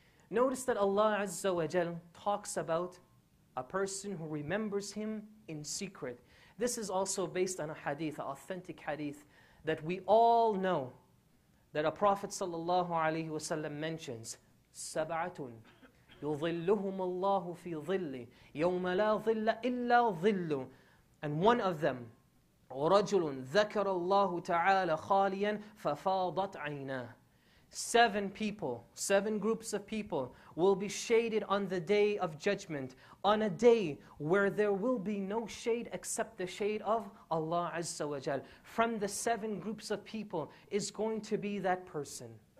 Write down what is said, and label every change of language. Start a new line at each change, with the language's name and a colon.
English: Notice that Allah Azza wa Jal talks about a person who remembers him in secret. This is also based on a hadith, an authentic hadith, that we all know that a Prophet sallallahu alayhi wa sallam mentions,
Arabic: سَبْعَةٌ يُظِلُّهُمَ اللَّهُ فِي ظِلِّ يَوْمَ لَا ظِلَّ إِلَّا ظِلُّ.
English: And one of them,
Arabic: رَجُلٌ ذَكَرَ اللَّهُ تَعَالَى خَالِيًا فَفَاضَتْ عَيْنَاهُ.
English: Seven people, seven groups of people will be shaded on the day of judgment, on a day where there will be no shade except the shade of Allah Azza wa Jal. From the seven groups of people is going to be that person.